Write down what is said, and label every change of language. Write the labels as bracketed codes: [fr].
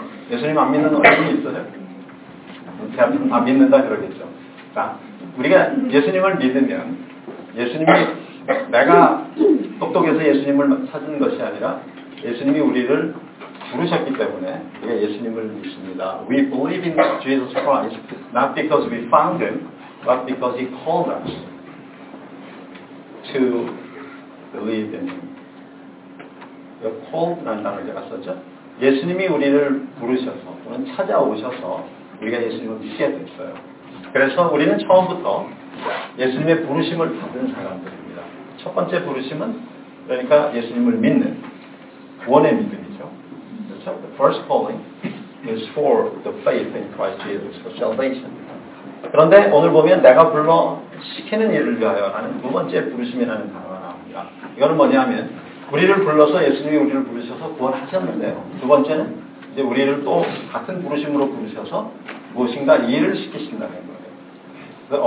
[ko] 예수님 안 믿는 어린이 있어요? 대부분 안 믿는다 그러겠죠. 자, 우리가 예수님을 믿으면, 예수님이 내가 똑똑해서 예수님을 찾은 것이 아니라 예수님이 우리를 부르셨기 때문에 우리가 예수님을 믿습니다. [en] We believe in Jesus Christ not because we found him but because he called us to believe in him. [ko] Called라는 단어를 제가 썼죠. 예수님이 우리를 부르셔서 또는 찾아오셔서 우리가 예수님을 믿게 됐어요. 그래서 우리는 처음부터 예수님의 부르심을 받은 사람들입니다. 첫 번째 부르심은 그러니까 예수님을 믿는 구원의 믿음이죠. [en] The first calling is for the faith in Christ Jesus for salvation. [ko] 그런데 오늘 보면 내가 불러 시키는 일을 위하여 하는 두 번째 부르심이라는 단어가 나옵니다. 이거는 뭐냐면 우리를 불러서 예수님이 우리를 부르셔서 구원하셨는데요. 두 번째는 이제 우리를 또 같은 부르심으로 부르셔서 무엇인가 일을 시키신다는 거예요.